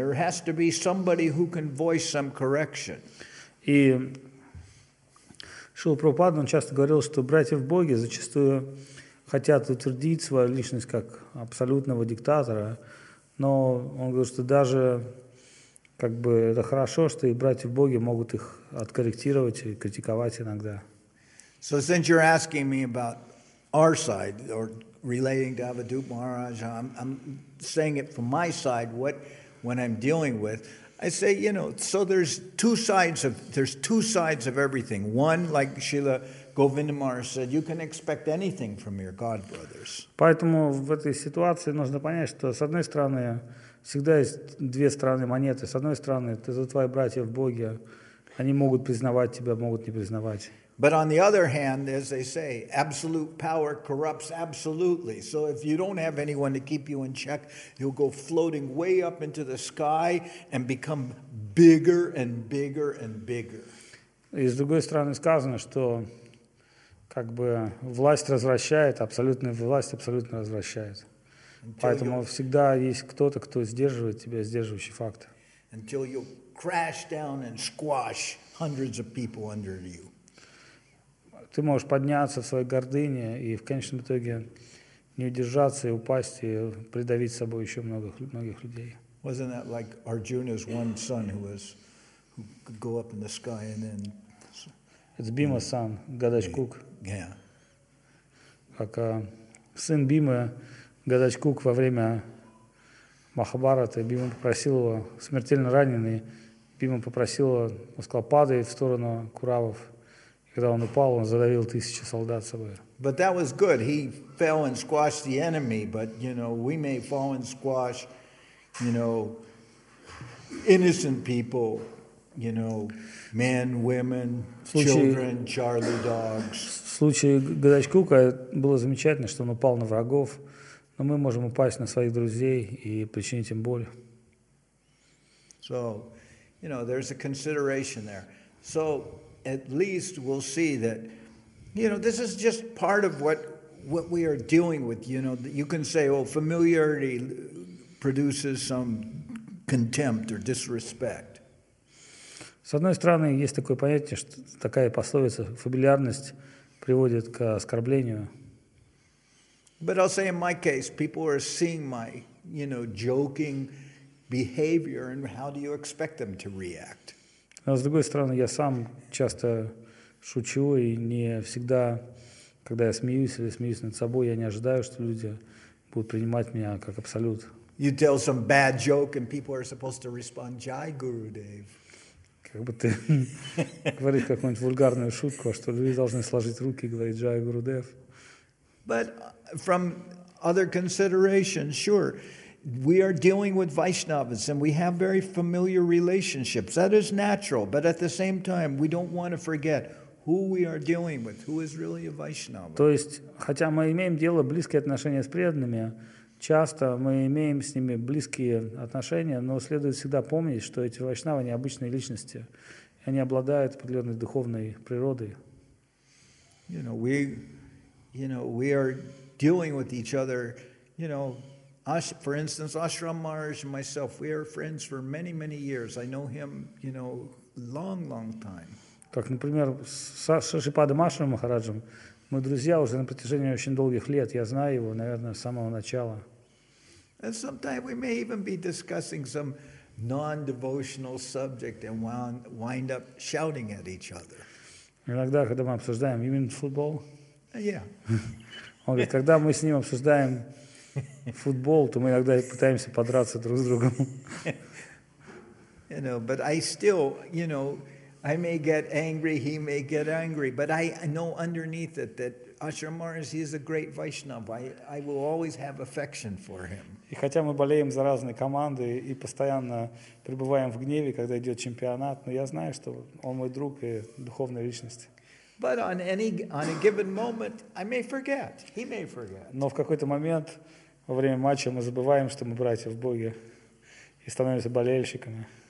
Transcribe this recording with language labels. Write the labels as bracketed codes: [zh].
[en] There has to be somebody who can voice some correction. [ru] И Шрила Прабхупада, он часто говорил, что братья в Боге зачастую хотят утвердить свою личность как абсолютного диктатора, но он говорит, что даже это хорошо, что и братья в Боге могут их откорректировать и критиковать иногда. [en] So since you're asking me about our side or relating to Avadhut Maharaj, I'm saying it from my side, what when I'm dealing with, I say, you know, so there's two sides of everything. One, like Srila Govindamar said, you can expect anything from your God brothers. [ru] Поэтому в этой ситуации нужно понять, что с одной стороны всегда есть две стороны монеты. С одной стороны, ты за твои братья в Боге, они могут признавать тебя, могут не признавать. [en] But on the other hand, as they say, absolute power corrupts absolutely. So if you don't have anyone to keep you in check, you'll go floating way up into the sky and become bigger and bigger and bigger. [ru] И с другой стороны сказано, что как бы власть развращает, абсолютная власть абсолютно развращает. Поэтому всегда есть кто-то, кто сдерживает тебя, сдерживающий фактор. [en] Until you crash down and squash hundreds of people under you. [ru] Ты можешь подняться в своей гордыне и в конечном итоге не удержаться и упасть и придавить собой еще многих людей. [en] Wasn't that like Arjuna's one son who could go up in the sky and then? It's Bhima's son, Gadachkuk. Yeah. [ru] Как сын Бимы, Гадачкук во время Махабхараты, Бима попросил его, смертельно раненый, Бима попросил его, он сказал, падай в сторону Куравов. Когда он упал, он задавил тысячи солдат с собой. [en] But that was good. He fell and squashed the enemy. But, you know, we may fall and squash, you know, innocent people, you know, men, women, children, Charlie dogs. [ru] В случае Гадачкука было замечательно, что он упал на врагов, но мы можем упасть на своих друзей и причинить им боль. [en] So, you know, there's a consideration there. So, at least we'll see that, you know, this is just part of what we are dealing with. You know, you can say, oh, familiarity produces some contempt or disrespect. [ru] С одной стороны, есть такое понятие, что такая пословица, фамильярность приводит к оскорблению. [en] But I'll say in my case, people are seeing my, you know, joking behavior, and how do you expect them to react? [ru] Но, с другой стороны, я сам часто шучу, и не всегда, когда я смеюсь или смеюсь над собой, я не ожидаю, что люди будут принимать меня как абсолют. [en] You tell some bad joke, and people are supposed to respond, Jai Guru Dev. [ru] Как бы ты говоришь какую-нибудь вульгарную шутку, что люди должны сложить руки и говорить, Jai Guru Dev. [en] But from other considerations, sure. We are dealing with Vaishnavas, and we have very familiar relationships. That is natural, but at the same time, we don't want to forget who we are dealing with, who is really a Vaishnava. [ru] То есть, хотя мы имеем дело близкие отношения с преданными, часто мы имеем с ними близкие отношения, но следует всегда помнить, что эти Вайшнавы не обычные личности, они обладают определенной духовной природой. [en] We are dealing with each other, you know. For instance, Ashram Maharaj and myself, we are friends for many, many years. I know him, you know, long, long time. [ru] Как, например, с Шишипадом Ашрамом Махараджем, мы друзья уже на протяжении очень долгих лет. Я знаю его, наверное, с самого начала. [en] And sometimes we may even be discussing some non-devotional subject and wind up shouting at each other. [ru] Иногда, когда мы обсуждаем, [en] you mean football? Yeah. [ru] Он говорит, когда мы с ним обсуждаем футбол, то мы иногда пытаемся подраться друг с другом. [en] You know, but I still, you know, I may get angry, he may get angry, but I know underneath it that Ashram Maharaj, he is a great Vaishnava. I will always have affection for him. [ru] И хотя мы болеем за разные команды и постоянно пребываем в гневе, когда идет чемпионат, но я знаю, что он мой друг и духовная личность. [en] But on a given moment, I may forget. He may forget. [ru] Но в какой-то момент во время матча мы забываем, что мы братья в Боге, и становимся болельщиками.